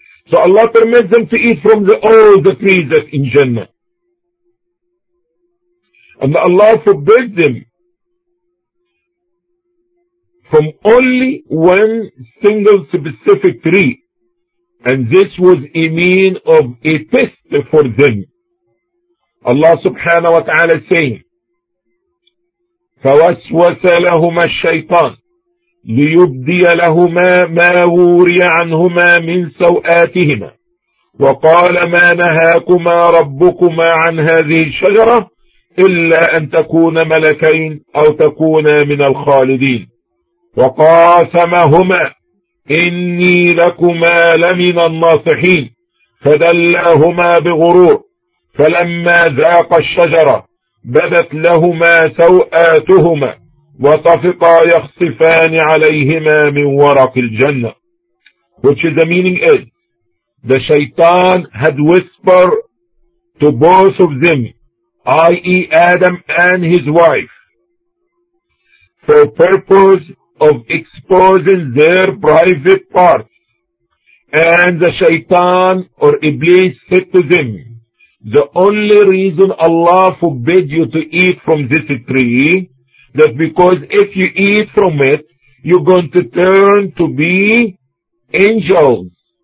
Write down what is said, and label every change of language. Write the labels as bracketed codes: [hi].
[en] So Allah permits them to eat from all the trees that in Jannah. And Allah forbids them from only one single specific tree. And this was a mean of a test for them. [ar] Allah subhanahu wa ta'ala saying, فَوَسْوَسَ لَهُمَا الشَّيْطَانِ ليبدي لهما ما وري عنهما من سوآتهما وقال ما نهاكما ربكما عن هذه الشجرة إلا أن تكون ملكين أو تكون من الخالدين وقاسمهما إني لكما لمن الناصحين فدلاهما بغرور فلما ذاق الشجرة بدت لهما سوآتهما وطفقا يخصفان عليهما من ورق الجنة [en] which is the meaning is the shaitan had whispered to both of them i.e. Adam and his wife for purpose of exposing their private parts and the shaitan or Iblis said to them the only reason Allah forbid you to eat from this tree That because if you eat from it, you're going to turn to be angels.